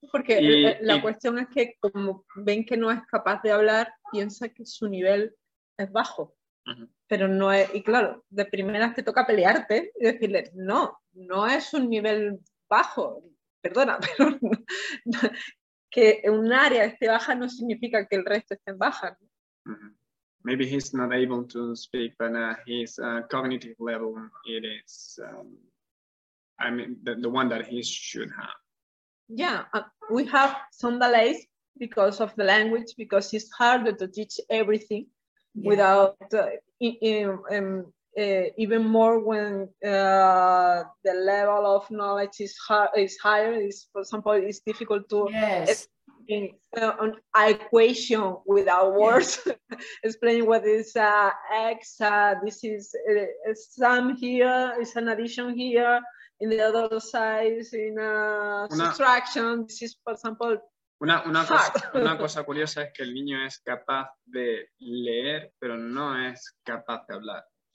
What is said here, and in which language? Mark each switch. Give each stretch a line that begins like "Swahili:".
Spanish: Porque la cuestión es que como ven que no es capaz de hablar, piensa que su nivel es bajo. Pero no es, y claro, de primeras te toca pelearte y decirle, no es un nivel bajo, perdona, pero no, que un área esté baja no significa que el resto esté en baja.
English: Maybe he's not able to speak, but his cognitive level, it is, I mean, the one that he should have. Yeah, we have some delays because of the language, because it's harder to teach everything without even more when the level of knowledge is higher. Is, for example, it's difficult to explain an equation without words, explain what is x, this is a sum here, it's an addition here, in the other side, is in subtraction, this is, for example,
Spanish: una cosa curiosa es que el niño es capaz de leer, pero no es capaz de hablar.